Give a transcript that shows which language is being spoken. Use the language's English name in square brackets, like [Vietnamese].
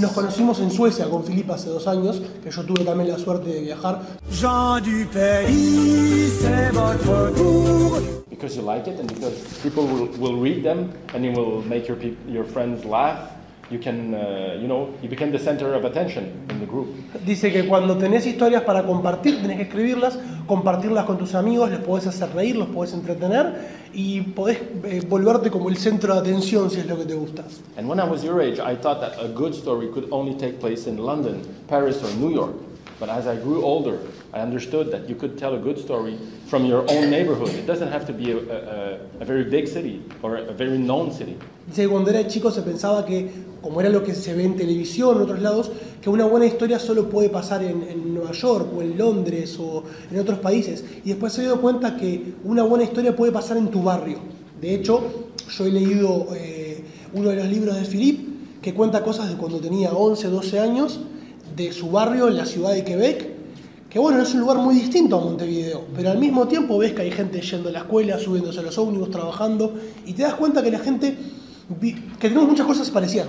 [Spanish] Nos conocimos en Suecia con Philippe hace 2 años, que yo tuve también la suerte de viajar. [French] Jean du pays, c'est votre tour. [English] Because you like it and because people will read them and it will make your friends laugh. You can, you know, you become the center of attention in the group. [Spanish] Dice que cuando tenés historias para compartir, tenés que escribirlas, compartirlas con tus amigos, les podés hacer reír, los podés entretener, y podés volverte como el centro de atención si es lo que te gusta. [English] And when I was your age, I thought that a good story could only take place in London, Paris, or New York. But as I grew older, I understood that you could tell a good story from your own neighborhood. It doesn't have to be a very big city or a very known city. [Spanish] Dice que cuando era chico se pensaba que, como era lo que se ve en televisión en otros lados, que una buena historia solo puede pasar en Nueva York o en Londres o en otros países. Y después se dio cuenta que una buena historia puede pasar en tu barrio. De hecho, yo he leído uno de los libros de Philippe que cuenta cosas de cuando tenía 11, 12 años de su barrio en la ciudad de Quebec, que bueno, es un lugar muy distinto a Montevideo, pero al mismo tiempo ves que hay gente yendo a la escuela, subiéndose a los ómnibus, trabajando, y te das cuenta que la gente, que tenemos muchas cosas parecidas.